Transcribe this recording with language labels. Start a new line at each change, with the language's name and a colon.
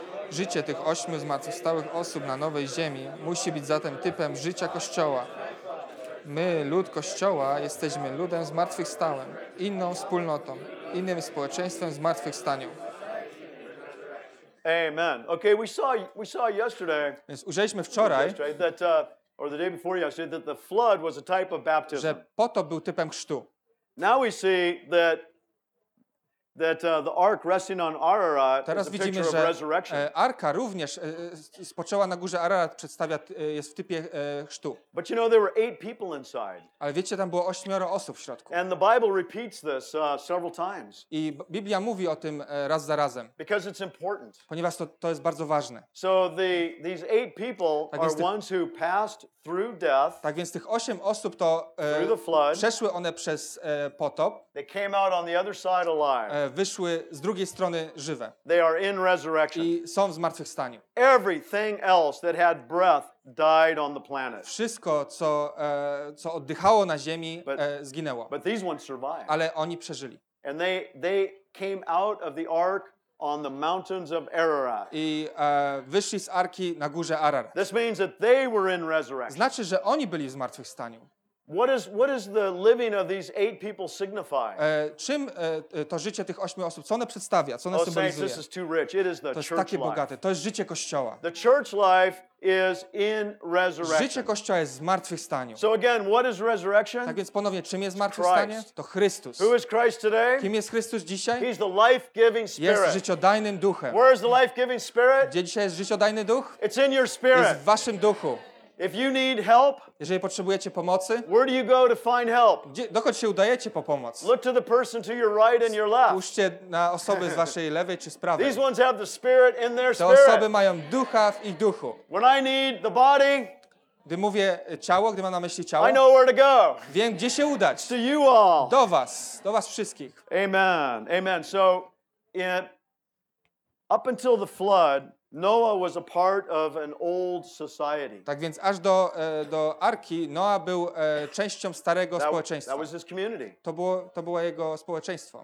Polish: Życie tych 8 zmartwychwstałych osób na nowej ziemi musi być zatem typem życia Kościoła. My, lud Kościoła, jesteśmy ludem zmartwychwstałym, inną wspólnotą, innym społeczeństwem zmartwychwstaniu.
English: Amen. Okay, we saw yesterday.
Polish: Więc ujrzeliśmy wczoraj,
English: or the day before yesterday, that the flood was a type of baptism.
Polish: Że potop był typem chrztu.
English: Now we see that the ark resting on Ararat.
Polish: Teraz widzimy,
English: picture
Polish: że
English: of resurrection.
Polish: Arka również spoczęła na górze Ararat, przedstawia jest w typie chrztu.
English: But you know there were 8 people inside.
Polish: Ale wiecie, tam było 8 osób w środku.
English: And the Bible repeats this several times.
Polish: I Biblia mówi o tym raz za razem.
English: Because it's important.
Polish: Ponieważ to jest bardzo ważne.
English: So these 8 people
Polish: tak
English: are ones who passed through death.
Polish: Tak więc tych 8 osób to
English: through the flood,
Polish: przeszły one przez potop.
English: They came out on the other side alive.
Polish: Wyszły z drugiej strony żywe.
English: They are in resurrection.
Polish: I są w zmartwychwstaniu.
English: Everything else that had breath died on the planet.
Polish: Wszystko, co oddychało na ziemi, zginęło.
English: But these ones survived.
Polish: Ale oni przeżyli.
English: And they came out of the ark on the mountains of Ararat.
Polish: I wyszli z arki na górze Ararat.
English: This means that they were in resurrection.
Polish: Znaczy, że oni byli w zmartwychwstaniu.
English: What is the living of these 8 people signify?
Polish: Czym to życie tych 8 osób, co one przedstawia, co one symbolizuje?
English: Saints, this is too rich. It is the
Polish: to jest takie bogate. To jest życie Kościoła.
English: The church life is in resurrection.
Polish: Życie Kościoła jest w zmartwychwstaniu.
English: So again, what is resurrection?
Polish: Tak więc ponownie, czym jest zmartwychwstanie? To Chrystus.
English: Who is Christ today?
Polish: Kim jest Chrystus dzisiaj?
English: He's the life-giving spirit.
Polish: Jest życiodajnym duchem.
English: Where is the life-giving spirit?
Polish: Gdzie dzisiaj jest życiodajny duch?
English: It's in your spirit.
Polish: Jest w waszym duchu.
English: If you need help,
Polish: jeżeli potrzebujecie pomocy,
English: where do you go to find help?
Polish: Dokąd się udajecie po pomoc?
English: Look to the person to your right and your left.
Polish: Spójrzcie na osoby z waszej lewej czy z prawej.
English: These ones have the spirit in their spirit.
Polish: Te osoby mają ducha w ich duchu.
English: When I need the body,
Polish: gdy mówię ciało, gdy mam na myśli ciało,
English: I know where to go.
Polish: Wiem, gdzie się udać.
English: To you all.
Polish: Do was wszystkich.
English: Amen. Amen. So, up until the flood, Noah was a part of an old society.
Polish: Tak więc aż do arki Noah był częścią starego społeczeństwa.
English: That was his community.
Polish: To było jego społeczeństwo.